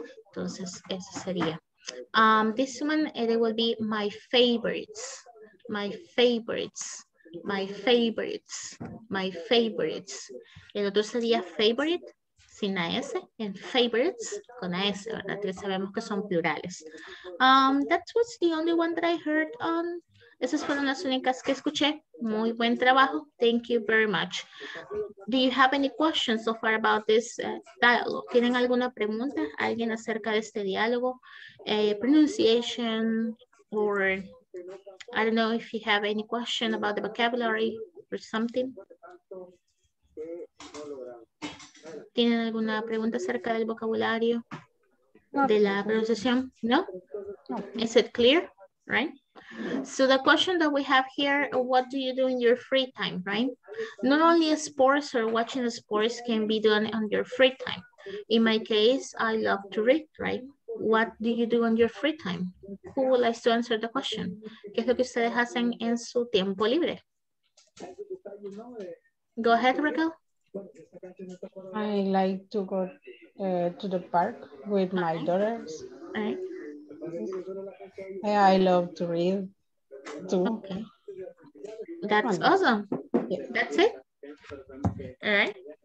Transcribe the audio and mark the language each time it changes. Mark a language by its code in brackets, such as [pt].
[es] Entonces eso sería. [en] This one, it will be my favorites. My favorites. [es] El otro sería favorite, sin la S, en favorites, con la S, ¿verdad? Ya sabemos que son plurales. [en] That was the only one that I heard on. [es] Esas fueron las únicas que escuché. Muy buen trabajo. [en] Thank you very much. Do you have any questions so far about this dialogue? [es] ¿Tienen alguna pregunta? ¿Alguien acerca de este diálogo? [en] Pronunciation or I don't know if you have any question about the vocabulary or something. [es] ¿Tienen alguna pregunta acerca del vocabulario? No. ¿De la pronunciación? No? No. [en] Is it clear? Right? So the question that we have here, what do you do in your free time, right? Not only sports or watching sports can be done on your free time. In my case, I love to read, right? What do you do on your free time? Who would like to answer the question? [es] ¿Qué es lo que ustedes hacen en su tiempo libre? [en] Go ahead, Raquel. I like to go to the park with my daughters. I love to read too. Okay. That's awesome. Yeah. That's it. All right.